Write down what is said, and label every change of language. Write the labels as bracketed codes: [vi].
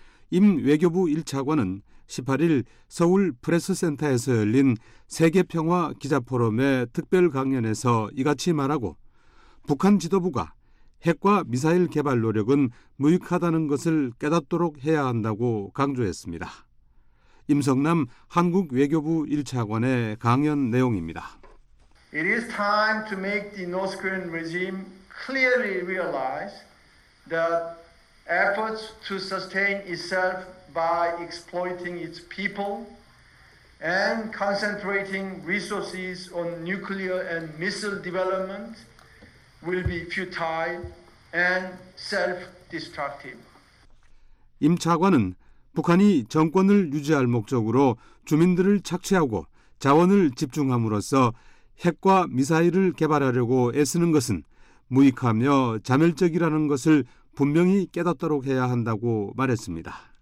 [ko] 임 외교부 1차관은 18일 서울 프레스센터에서 열린 세계평화 기자포럼의 특별 강연에서 이같이 말하고 북한 지도부가 핵과 미사일 개발 노력은 무익하다는 것을 깨닫도록 해야 한다고 강조했습니다. 임성남 한국 외교부 1차관의 강연 내용입니다. [en] It is time to make the North Korean regime clearly realize that efforts to sustain itself by exploiting its people and concentrating resources on nuclear and missile development will be futile and self-destructive. [ko] 임 차관은 북한이 정권을 유지할 목적으로 주민들을 착취하고 자원을 집중함으로써 핵과 미사일을 개발하려고 애쓰는 것은 무익하며 자멸적이라는 것을 분명히 깨닫도록 해야 한다고 말했습니다.